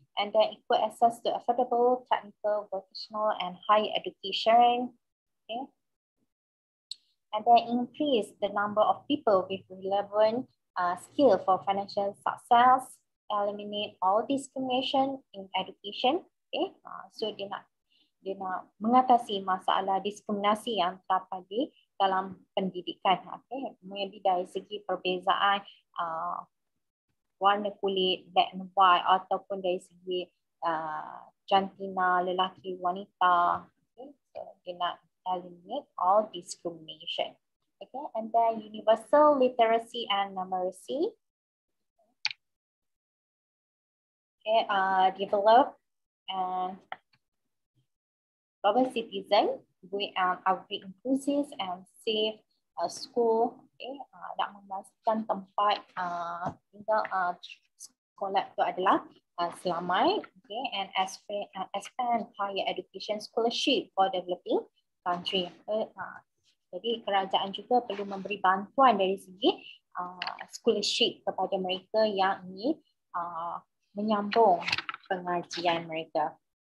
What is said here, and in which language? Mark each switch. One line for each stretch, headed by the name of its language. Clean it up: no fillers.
English: And then equal access to affordable technical, vocational, and higher education. Okay. And then increase the number of people with relevant skill for financial success. Eliminate all discrimination in education. Okay.
Malay: So dia nak mengatasi masalah diskriminasi yang terjadi dalam pendidikan. Okay. Maybe dari segi perbezaan warna kulit,
English: black and white,
Malay: ataupun dari segi jantina, lelaki, wanita. Okay.
English: So, they
Malay: nak
English: eliminate all discrimination. Okay, and then universal literacy and numeracy. Okay, develop and global citizen, we upgrade inclusive and safe school.
Malay: Okay, nak memastikan tempat tinggal sekolah itu adalah selamat.
English: Okay, and expand higher education scholarship for developing country.
Malay: Jadi kerajaan juga perlu memberi bantuan dari segi scholarship kepada mereka yang ingin menyambung pengajian mereka.